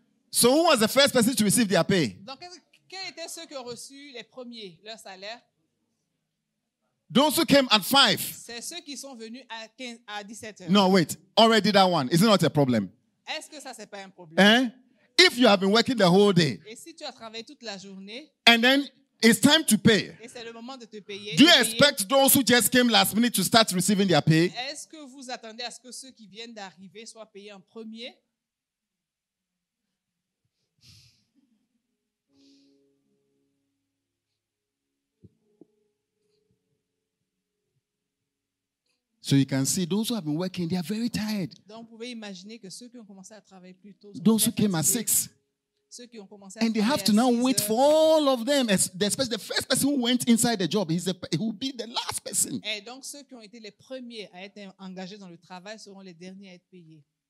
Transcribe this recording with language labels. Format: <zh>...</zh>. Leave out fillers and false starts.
<en>So who was the first person to receive their pay?</en> <fr>Donc, quels étaient ceux qui ont reçu les premiers, leur salaire?</fr> <en>Those who came at 5.</en> <fr>C'est ceux qui sont venus à 17</fr> <en>heures. No, wait. Already that one. Is it not a problem?</en> <fr>Est-ce que ça, c'est pas un problème? Hein?</fr> <en>If you have been working the whole day,</en> <fr>et si tu as travaillé toute la journée,</fr> <en>and then it's time to pay,</en> <fr>et c'est le moment de te payer,</fr> <en>do you expect those who just came last minute to start receiving their pay?</en> <fr>Est-ce que vous attendez à ce que ceux qui viennent d'arriver soient payés en premier?</fr> <en>So you can see those who have been working, they are very tired.</en> <fr>Donc vous pouvez imaginer que ceux qui ont commencé à travailler plus tôt,</fr> <en>those who came at 6,</en> <fr>ceux qui ont commencé à</fr> <en>and they have to now wait for all of them, especially the first person who went inside the job, he will be the last person.</en> <fr>Et donc ceux qui ont été les premiers à être engagés dans le travail seront les derniers à être payés.</fr>